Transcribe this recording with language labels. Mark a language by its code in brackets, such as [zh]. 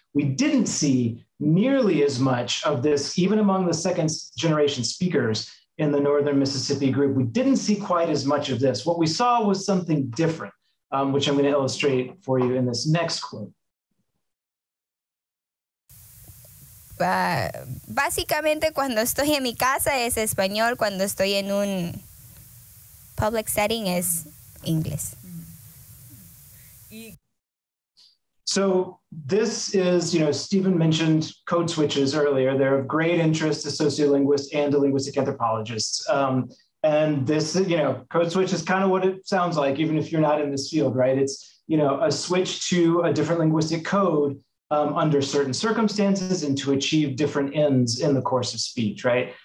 [en] We didn't see nearly as much of this, even among the second generation speakers in the Northern Mississippi group. We didn't see quite as much of this. What we saw was something different, which I'm going to illustrate for you in this next quote. [es] Básicamente, cuando estoy en mi casa es español. Cuando estoy en un [en] public setting [es] es inglés. [en] So this is, you know, Stephen mentioned code switches earlier. They're of great interest to sociolinguists and to linguistic anthropologists. And this, you know, code switch is kind of what it sounds like, even if you're not in this field, right? It's, you know, a switch to a different linguistic code under certain circumstances and to achieve different ends in the course of speech, right?